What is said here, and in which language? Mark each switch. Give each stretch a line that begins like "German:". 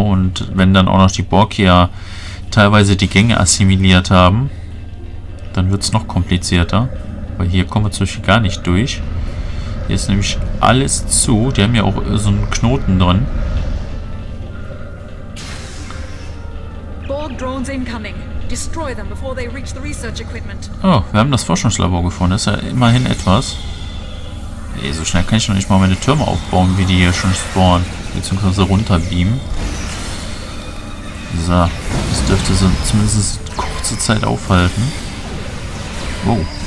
German: Und wenn dann auch noch die Borg hier teilweise die Gänge assimiliert haben, dann wird es noch komplizierter. Weil hier kommen wir zum Beispiel gar nicht durch. Hier ist nämlich alles zu. Die haben ja auch so einen Knoten drin.
English: Drones incoming. Destroy them before they reach the research equipment.
German: Oh, wir haben das Forschungslabor gefunden. Das ist ja immerhin etwas. Ey, so schnell kann ich noch nicht mal meine Türme aufbauen, wie die hier schon spawnen. Beziehungsweise runterbeamen. So. Das dürfte so zumindest eine kurze Zeit aufhalten. Wow.